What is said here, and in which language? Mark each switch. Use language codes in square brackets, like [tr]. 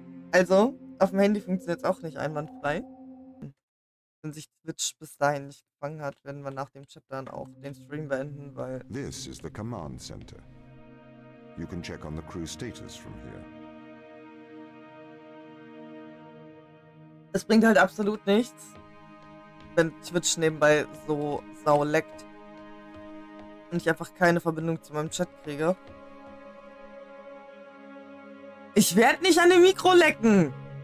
[de] Also, auf dem Handy funktioniert es auch nicht einwandfrei. Wenn sich Twitch bis dahin nicht gefangen hat, werden wir nach dem Chapter dann auch den Stream beenden, weil... [en] This is the command center. You can check on the crew status from here. [de] Es bringt halt absolut nichts, wenn Twitch nebenbei so sau leckt und ich einfach keine Verbindung zu meinem Chat kriege. Ich werde nicht an dem Mikro lecken!